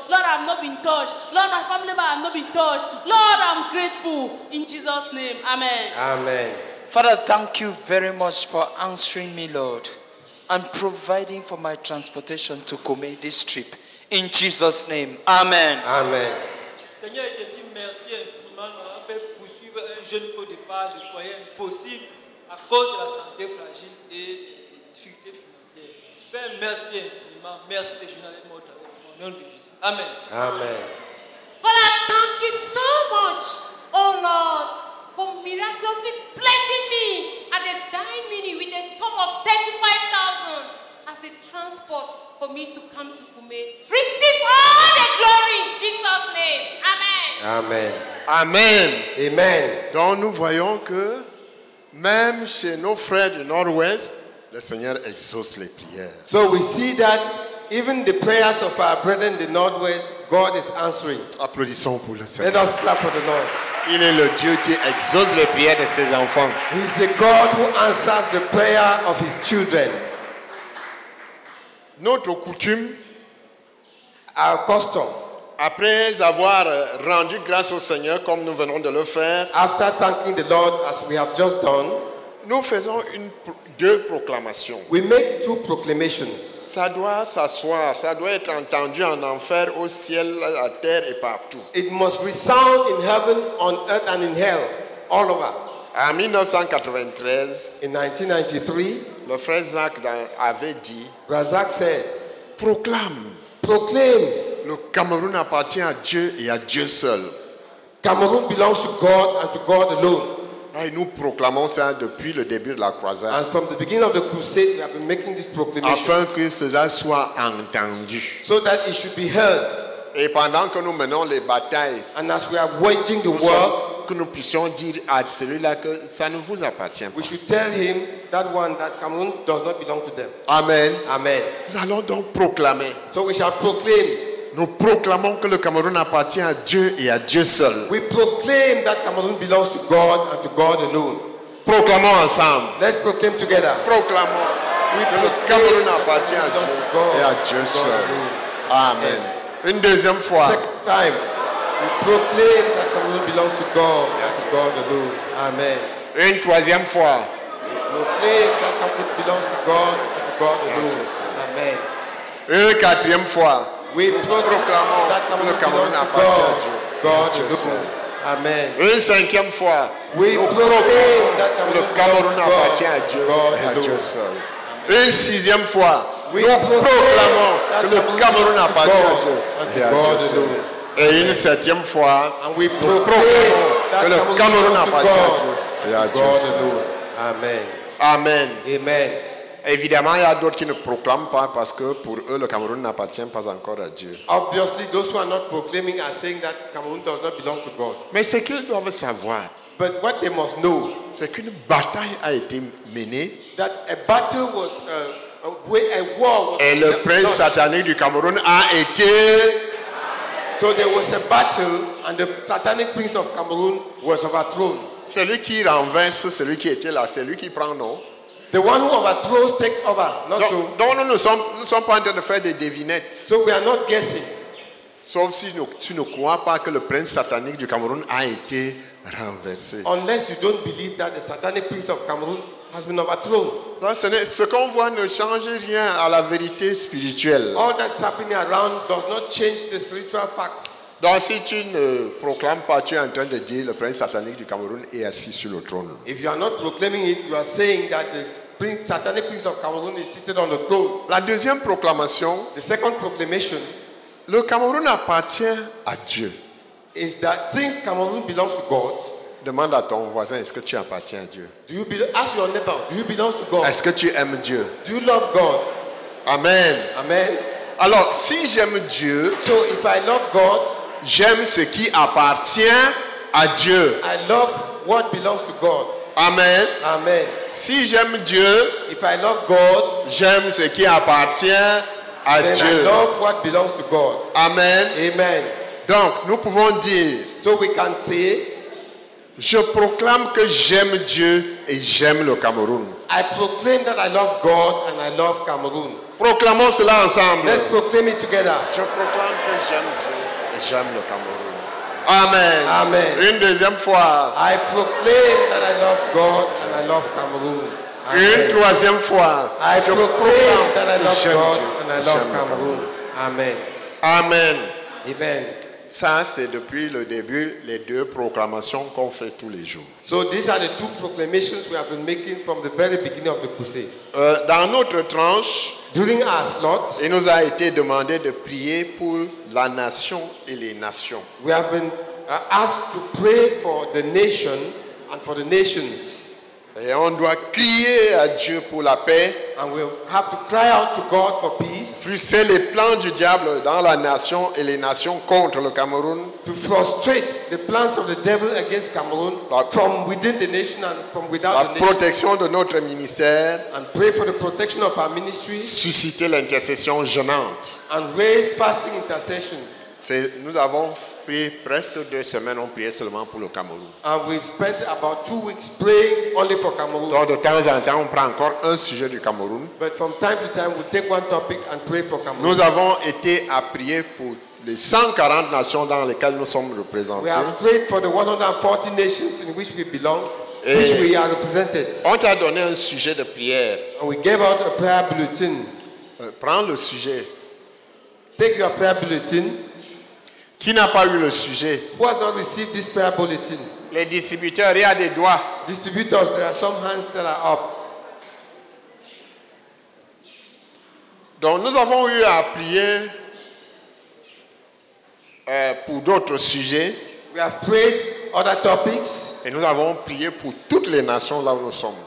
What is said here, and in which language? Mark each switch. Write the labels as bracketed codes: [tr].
[en] Lord, I have not been touched. Lord, my family member have not been touched. Lord, I'm grateful. In Jesus' name, amen. Amen. Father, thank you very much for answering me, Lord, and providing for my transportation to Kome this trip. In Jesus' name, amen. Amen. [fr] Seigneur, je dis merci infiniment d'avoir fait poursuivre un jeune au départ, je croyais impossible à cause de la santé fragile et des difficultés financières. Père, merci infiniment. Merci de jouer avec moi au nom de Jésus. Amen. Amen. [en] Father, thank you so much, oh Lord, for miraculously blessing me at the dying minute with a sum of 35,000 as a transport for me to come to Kume. Receive all the glory in Jesus' name. Amen. Amen. Amen. Amen. [fr] Donc nous voyons que même chez nos frères du Nord-Ouest, le Seigneur exauce les prières. [en] So we see that even the prayers of our brethren in the Northwest, God is answering. [fr] Applaudissons pour le Seigneur. [en] Let us clap for the Lord. [fr] Il est le Dieu qui exauce les prières de ses enfants. [en] He is the God who answers the prayer of his children. [fr] Notre coutume, [en] our custom, [fr] après avoir rendu grâce au Seigneur comme nous venons de le faire, [en] after thanking the Lord as we have just done, [fr] nous faisons deux proclamations. [en] We make two proclamations. [fr] Ça doit s'asseoir, ça doit être entendu en enfer, au ciel, à terre et partout. [en] It must resound in heaven, on earth and in hell, all over. [fr] En 1993, [en] in 1993, [fr] le frère Zach avait dit, [en] Brother Zach said, [fr] proclaim, le Cameroun appartient à Dieu et à Dieu seul. [en] Cameroon belongs to God and to God alone. [fr] Et nous proclamons ça depuis le début de la croisade. [en] And from the beginning of the crusade, we have been making this proclamation. [fr] Afin que cela soit entendu. [en] So that it should be heard. [fr] Et pendant que nous menons les batailles, [en] and as we are waging the war, [fr] que nous puissions dire à celui-là que ça ne vous appartient pas. [en] We should tell him that one that Cameroon does not belong to them. Amen. Amen. [fr] Nous allons donc proclamer. [en] So we shall proclaim. [fr] Nous proclamons que le Cameroun appartient à Dieu et à Dieu seul. [en] We proclaim that Cameroon belongs to God and to God alone. [fr] Proclamons ensemble. Let's proclaim together. Proclamons. Oui, le Cameroun appartient à Dieu et à Dieu seul. Amen. Une deuxième fois. [en] Second time. We proclaim that Cameroon belongs to God and to God alone. Amen. [fr] Une troisième fois. [en] We proclaim that Cameroon belongs to God and to God alone. Amen. [fr] Une quatrième fois. [en] We proclaim that Cameroon belongs to God. [fr] Amen. Une cinquième fois. [en] We proclaim that Cameroon [fr] appartient à Dieu. [en] God alone. [fr] Une sixième fois. [en] We proclaim that Cameroon [fr] appartient à Dieu. [en] God alone. [fr] Et une septième fois, [en] and we proclaim that Cameroon [fr] appartient à Dieu. [en] Amen. Amen. Amen. [fr] Évidemment, il y a d'autres qui ne proclament pas parce que pour eux, le Cameroun n'appartient pas encore à Dieu. [en] Obviously, those who are not proclaiming are saying that Cameroun does not belong to God. [fr] Mais ce qu'ils doivent savoir, [en] but what they must know, [fr] c'est qu'une bataille a été menée. [en] That a battle was a war was. [fr] Et le prince satanique du Cameroun a été. [en] So there was a battle, and the satanic prince of Cameroon was overthrown. [fr] Celui qui renverse, celui qui était là, c'est lui qui prend non. [en] The one who overthrows takes over. Not [fr] donc, [en] so. [fr] Donc nous sommes pas en train de faire des devinettes. [en] So we are not guessing. [fr] Sauf si tu ne crois pas que le prince satanique du Cameroun a été renversé. [en] Unless you don't believe that the satanic prince of Cameroon has been overthrown. [fr] Donc, ce qu'on voit ne change rien à la vérité spirituelle. [en] All that's happening around does not change the spiritual facts. [fr] Donc si tu ne proclames pas, tu es en train de dire le prince satanique du Cameroun est assis sur le trône. [en] If you are not proclaiming it, you are saying that the satanic prince of Cameroon is seated on the throne. [fr] La deuxième proclamation, [en] the second proclamation, [fr] Le Cameroun appartient à Dieu. [en] Is that since Cameroon belongs to God? [fr] Demande à ton voisin, est-ce que tu appartiens à Dieu? [en] Do you belong? Ask your neighbor, do you belong to God? [fr] Est-ce que tu aimes Dieu? [en] Do you love God? Amen. Amen. [fr] Alors, si j'aime Dieu, [en] so if I love God, [fr] j'aime ce qui appartient à Dieu. [en] I love what belongs to God. Amen. Amen. [fr] Si j'aime Dieu, [en] if I love God, [fr] j'aime ce qui appartient à [en] then [fr] Dieu. [en] I love what belongs to God. Amen. Amen. [fr] Donc, nous pouvons dire, [en] so we can say, [fr] je proclame que j'aime Dieu et j'aime le Cameroun. [en] I proclaim that I love God and I love Cameroon. [fr] Proclamons cela ensemble. [en] Let's proclaim it together. [fr] Je proclame que j'aime Dieu et j'aime le Cameroun. Amen. Amen. Une deuxième fois. [en] I proclaim that I love God and I love Cameroon. [fr] Amen. Une troisième fois. [en] I proclaim that I love God and I love Cameroon. Amen. Amen. Amen. [fr] Ça, c'est depuis le début les deux proclamations qu'on fait tous les jours. [en] So these are the two proclamations we have been making from the very beginning of the crusade. [fr] Dans notre tranche, [en] during our slot, [fr] il nous a été demandé de prier pour la nation et les nations. [en] We have been asked to pray for the nation and for the nations. [fr] Et on doit crier à Dieu pour la paix. [en] And we have to cry out to God for peace. [fr] Frustrer les plans du diable dans la nation et les nations contre le Cameroun. [en] To frustrate the plans of the devil against Cameroon from within the nation and from without the nation. [fr] La protection de notre ministère. [en] And pray for the protection of our ministry. [fr] Susciter l'intercession jeûnante. [en] And raise fasting intercession. [fr] C'est, nous avons prié presque deux semaines, on priait seulement pour le Cameroun. [en] And we spent about 2 weeks praying only for Cameroun. [fr] Donc de temps en temps, on prend encore un sujet du Cameroun. [en] But from time to time, we take one topic and pray for Cameroun. [fr] Nous avons été à prier pour les 140 nations dans lesquelles nous sommes représentés. [en] We have prayed for the 140 nations in which we belong, et which we are represented. [fr] On t'a donné un sujet de prière. [en] And we gave out a prayer bulletin. [fr] Prends le sujet. [en] Take your prayer bulletin. [fr] Qui n'a pas eu le sujet? [en] Who has not received this prayer bulletin? [fr] Les distributeurs, il y a des doigts. [en] Distributors, there are some hands that are up. [fr] Donc nous avons eu à prier pour d'autres sujets. [en] We have prayed other topics. [fr] Et nous avons prié pour toutes les nations là où nous sommes.